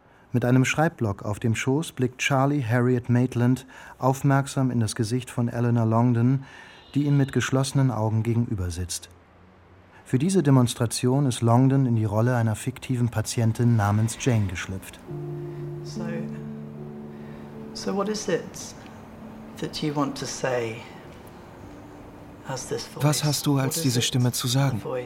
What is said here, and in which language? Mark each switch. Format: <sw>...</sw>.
<de>Mit einem Schreibblock auf dem Schoß blickt Charlie Harriet Maitland aufmerksam in das Gesicht von Eleanor Longdon, die ihm mit geschlossenen Augen gegenüber sitzt. Für diese Demonstration ist Longdon in die Rolle einer fiktiven Patientin namens Jane geschlüpft.</de> <en>So what is it that you want to say?</en> <de>Was hast du als diese Stimme zu sagen?</de>